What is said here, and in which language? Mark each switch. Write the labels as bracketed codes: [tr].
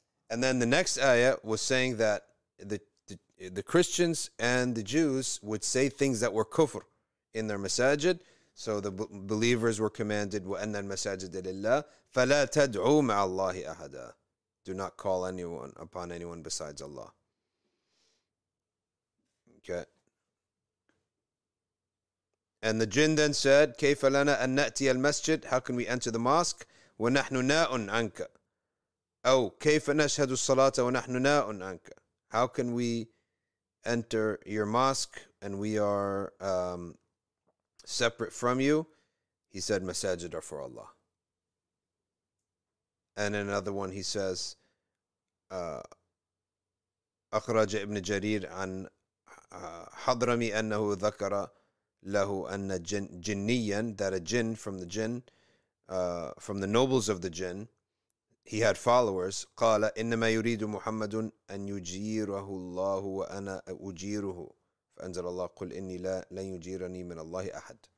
[en] And then the next ayah was saying that the Christians and the Jews would say things that were kufr in their masajid. So the believers were commanded, [ar] وَأَنَّ الْمَسَاجِدَ لِلَّهِ فَلَا تَدْعُوا مَعَ اللَّهِ أَحَدًا. [en] Do not call anyone upon anyone besides Allah. Okay. And the jinn then said, [ar] كيف لنا أن نأتي المسجد? [en] How can we enter the mosque? [ar] ونحن ناء عنك. أو كيف نشهد الصلاة ونحن ناء عنك. [en] How can we enter your mosque and we are separate from you? He said, masajid are for Allah. [ar] And in another one he says, أخرج ابن جرير عن حضرمي أنه ذكر له أن جنيا [en] that a jinn from the jinn from the nobles of the jinn he had followers [ar] قال إنما يريد محمد أن يجيره الله وأنا أجيره فأنزل الله قل إني لا لن يجيرني من الله أحد.